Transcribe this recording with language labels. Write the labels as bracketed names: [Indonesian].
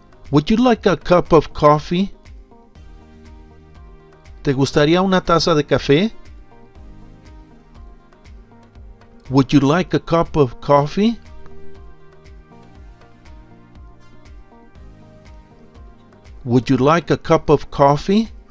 [English] Would you like a cup of coffee? [Spanish] ¿Te gustaría una taza de café? [English] Would you like a cup of coffee? Would you like a cup of coffee?